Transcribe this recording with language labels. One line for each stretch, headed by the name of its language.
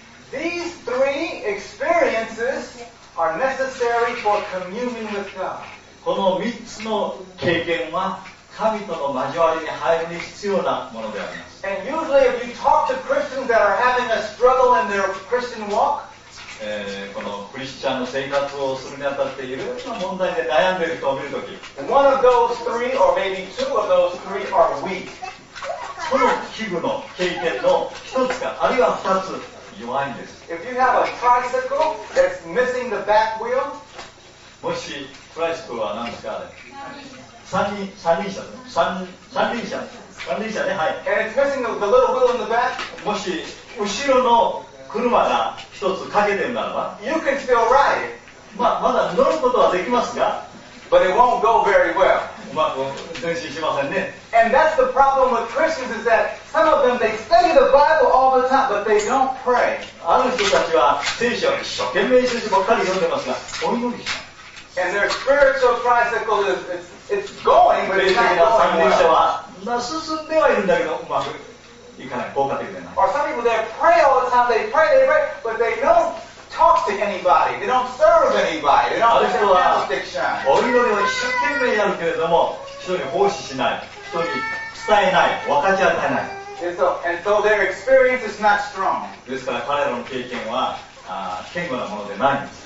English: These three experiences are necessary for communion with God.
Japanese: この3つの経験は神との交わりに入るに必要なものであります。
English: And usually if you talk to Christians that are having a struggle in their Christian walk,
Japanese: このクリスチャンの生活をするにあたっていろいろな問題で悩んでいる人を見るとき、
English: One of those three or maybe two of those three are weak.
Japanese: その器具の経験の1つかあるいは2つ弱いんです。
English: If you have a tricycle that's missing the back wheel,
Japanese: もしトライシクルは何ですかあれ三輪車ね、はい。
English: And it's missing the little wheel in the back.
Japanese: もし後ろの車が一つ欠けてるならば、
English: You can still ride.
Japanese: まだ乗ることはできますが、
English: But it won't go very well.
Japanese: まあ、前進しませんね。
English: And that's the problem with Christians is that some of them they study the Bible all the time, but they don't pray.
Japanese: ある人たちは聖書を一生懸命聖書ばっかり読んでますが、お祈りしない。
English: And their spiritual tricycle is going, but it's not going well.
Japanese: 進んではいるんだけど、うまくいかない、効果的でない。
English: Or some people, they pray all the time, they pray, but they don't talk to anybody, they don't serve anybody, they don't have a jurisdiction.
Japanese: お祈りは一生懸命やるけれども、人に奉仕しない、人に伝えない、分かち与えない。
English: And so their experience is not strong.
Japanese: ですから彼らの経験は、堅固なものでないんです。